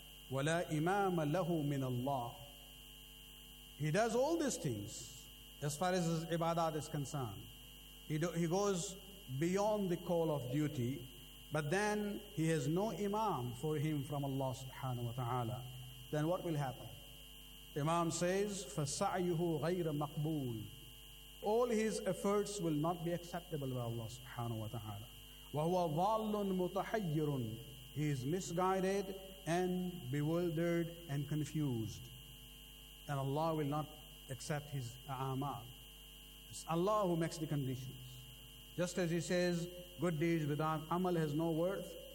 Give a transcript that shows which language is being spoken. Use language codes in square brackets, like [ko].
[ar] وَلَا إِمَامَ لَهُ مِنَ اللَّهِ. [en] He does all these things as far as his ibadat is concerned. He goes beyond the call of duty, but then he has no imam for him from Allah subhanahu wa ta'ala. Then what will happen? Imam says, [ar] فَسَعْيُهُ غَيْرَ مَقْبُولٍ. [en] All his efforts will not be acceptable by Allah subhanahu wa ta'ala. [ar] وَهُوَ ظَالٌ مُتَحَيِّرٌ. [en] He is misguided and bewildered and confused. And Allah will not accept his a'amal. It's Allah who makes the conditions. Just as he says, good deeds without amal has no worth.